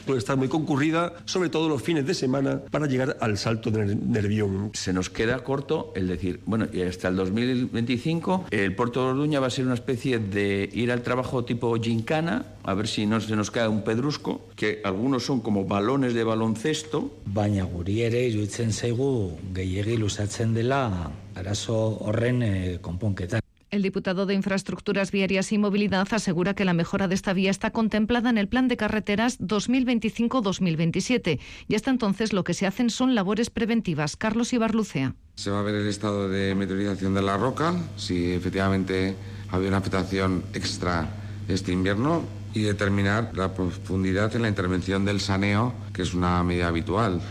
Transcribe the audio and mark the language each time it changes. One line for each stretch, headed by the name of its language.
Spanish: Puede estar muy concurrida, sobre todo los fines de semana, para llegar al Salto del Nervión. Se nos queda corto el decir, bueno, y hasta el 2025 el puerto de Orduña va a ser una especie de ir al trabajo tipo gincana, a ver si no se nos cae un pedrusco, que algunos son como balones de baloncesto.
Basque: Baina guri ere iruditzen zaigu gehiegi luzatzen dela arazo horren konponketa.
Spanish: El diputado de Infraestructuras Viarias y Movilidad asegura que la mejora de esta vía está contemplada en el Plan de Carreteras 2025-2027. Y hasta entonces lo que se hacen son labores preventivas. Carlos Ibarlucea. Se va a ver el estado de meteorización de la roca, si efectivamente había una afectación extra este invierno, y determinar la profundidad en la intervención del saneo, que es una medida habitual.